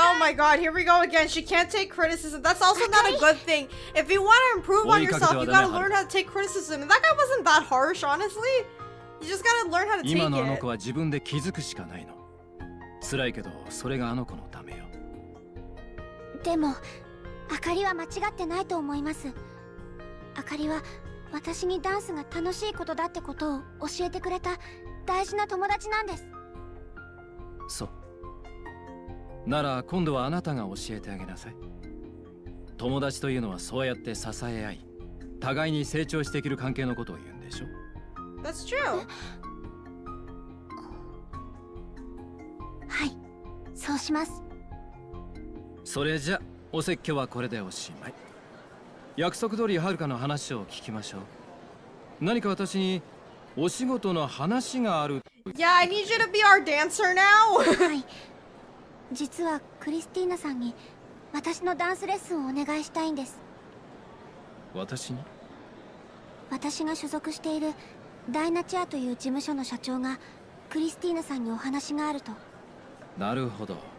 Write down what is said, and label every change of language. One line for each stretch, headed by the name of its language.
English: Oh my god, here we go again. She can't take criticism. That's also not a good thing. If you want to improve on yourself, you gotta learn how to take criticism. And that guy wasn't that harsh, honestly. You just gotta learn how to take it.
Japanese: 今のあの子は自分で気づくしかないの。辛いけどそれがあの子のためよ。でもあかりは間違ってないと思います。あかりは。私にダンスが楽しいことだってことを教えてくれた大事な友達なんです。そうなら今度はあなたが教えてあげなさい。友達というのはそうやって支え合い、互いに成長していける関係のことを言うんでしょ。
English: That's true.
Japanese: はい、そうします。それじゃお説教はこれでおしまい。約束通りはるかの話を聞きましょう。何か私にお仕事の話がある。
English: Yeah, I need you to be our dancer now.
Japanese: はい。実はクリスティーナさんに私のダンスレッスンをお願いしたいんです。私に？私が所属しているダイナチアという事務所の社長がクリスティーナさんにお話があると。なるほど。